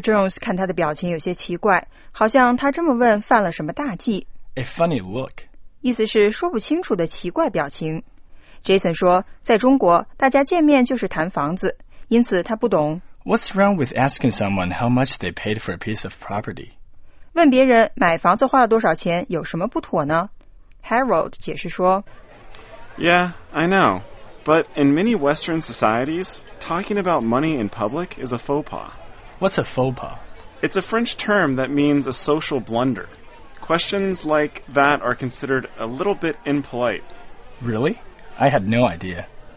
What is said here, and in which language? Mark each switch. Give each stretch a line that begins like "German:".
Chinese: Jones 看他的表情有些奇怪，好像他这么问犯了什么大忌。
English: A funny look.
Chinese: 意思是说不清楚的奇怪表情。 Jason 说在中国大家见面就是谈房子，因此他不懂
English: What's wrong with asking someone how much they paid for a piece of property?
Chinese: 问别人买房子花了多少钱有什么不妥呢？ Harold 解释说
English: Yeah, I know. But in many Western societies, talking about money in public is a faux pas. What's a faux pas? It's a French term that means a social blunder. Questions like that are considered a little bit impolite. Really? I had no idea.